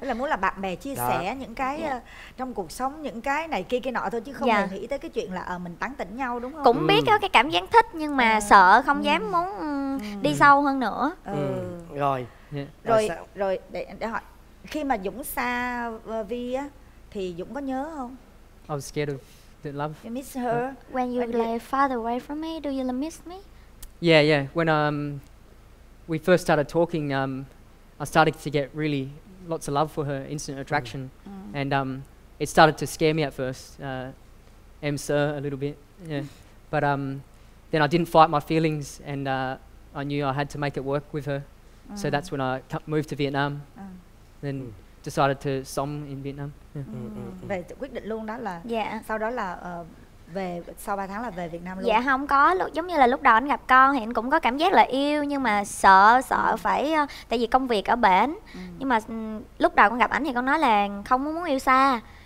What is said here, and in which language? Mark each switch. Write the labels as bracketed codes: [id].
[vi] là muốn là bạn bè chia sẻ những cái trong cuộc sống, những cái này kia kia nọ thôi, chứ không nghĩ tới cái chuyện là mình tán tỉnh nhau đúng không? Cũng biết cái cảm giác thích nhưng mà sợ không dám muốn đi sâu hơn nữa. Rồi. Rồi để hỏi, khi mà Dũng xa Vi á thì Dũng có nhớ không? [en] I was scared of the love. You miss her. When you lay farther away from me, do you miss me? Yeah, yeah. When we first started talking, I started to get really lots of love for her, instant attraction. And it started to scare me at first, a little bit, yeah. But then I didn't fight my feelings, and I knew I had to make it work with her. So that's when I moved to Vietnam, then decided to [vi] sống [en] in Vietnam. [vi] Về quyết định luôn đó là, sau đó là về sau 3 tháng là về Việt Nam luôn. Dạ không có, giống như là lúc đầu anh gặp con thì anh cũng có cảm giác là yêu, nhưng mà sợ phải, tại vì công việc ở bển. Nhưng mà lúc đầu con gặp anh thì con nói là không muốn yêu xa.